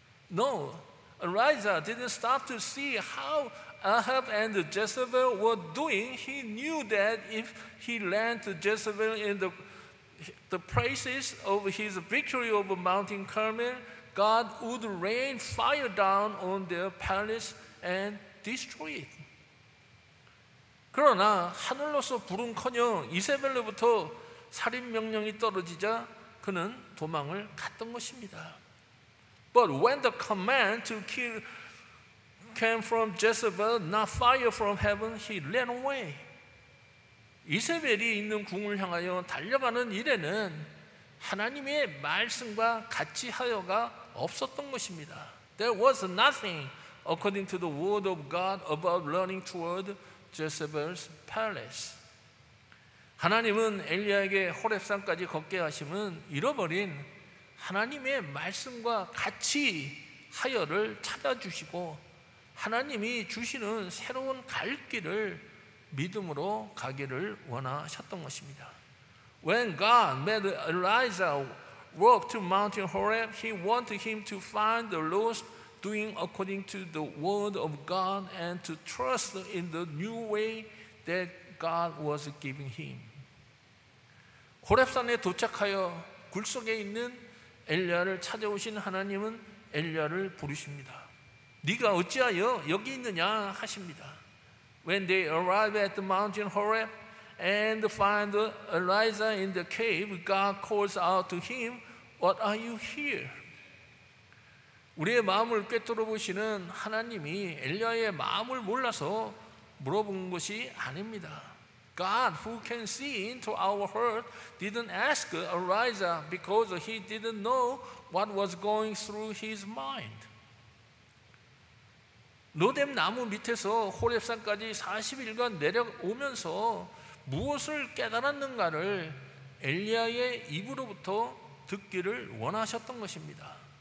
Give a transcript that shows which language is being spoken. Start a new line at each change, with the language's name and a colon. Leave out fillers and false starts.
English: No, Elijah didn't stop to see how Ahab and Jezebel were doing. He knew that if he ran to Jezebel in the places of his victory over Mount Carmel, God would rain fire down on their palace and destroy it.
Korean: 그러나 하늘로서 부른커녕 이세벨로부터 살인 명령이 떨어지자 그는 도망을 갔던 것입니다.
English: But when the command to kill came from Jezebel, not fire from heaven, he ran away.
Korean: 이세벨이 있는 궁을 향하여 달려가는 일에는 하나님의 말씀과 같이 하여가 없었던 것입니다.
English: There was nothing according to the word of God about running toward Jezebel's palace.
Korean: 하나님은 엘리야에게 호렙산까지 걷게 하심은 잃어버린 하나님의 말씀과 같이 하여를 찾아주시고 하나님이 주시는 새로운 갈 길을 믿음으로 가기를 원하셨던 것입니다.
English: When God made Elijah walk to Mount Horeb, he wanted him to find the lost doing according to the word of God and to trust in the new way that God was giving him.
Korean: 호렙산에 도착하여 굴 속에 있는 엘리야를 찾아오신 하나님은 엘리야를 부르십니다. 네가 어찌하여 여기 있느냐 하십니다.
English: When they arrive at the mountain Horeb and find Elijah in the cave, God calls out to him, What are you here?
Korean: 우리의 마음을 꿰뚫어 보시는 하나님이 엘리야의 마음을 몰라서 물어본 것이 아닙니다.
English: God, who can see into our heart, didn't ask Elijah because he didn't know what was going through his mind.
Korean: 로뎀 나무 밑에서 호렙산까지 40일간 내려오면서 무엇을 깨달았는가를 엘리야의 입으로부터 듣기를 원하셨던 것입니다.